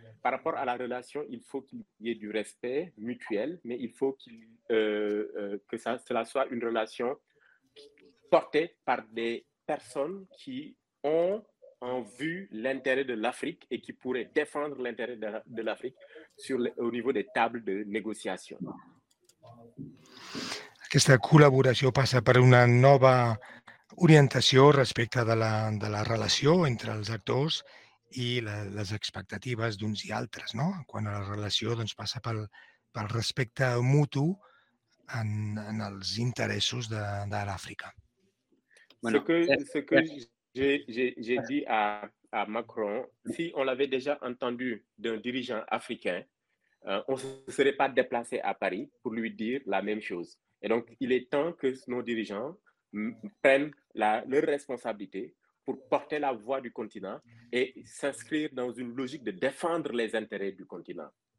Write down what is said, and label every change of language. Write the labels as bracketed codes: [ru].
[fr] Par rapport à la relation, il faut qu'il y ait du respect mutuel, mais il faut que cela soit une relation portée par des personnes qui ont en vue l'intérêt de l'Afrique et qui pourraient défendre l'intérêt de l'Afrique au niveau des tables de négociation. [ca] Aquesta col·laboració passa per una nova orientació respecte de la relació entre els actors i les expectatives d'uns i altres, no? Quan la relació doncs, passa pel respecte mutu en els interessos de l'Àfrica. [fr] Bueno, ce que j'ai dit a Macron, si on l'avait déjà entendu d'un dirigeant africain, on ne se serait pas déplacé à Paris pour lui dire la même chose. Et donc, il est temps que nos dirigeants prennent leur responsabilité pour porter la voix du continent et s'inscrire dans une logique de défendre les intérêts du continent.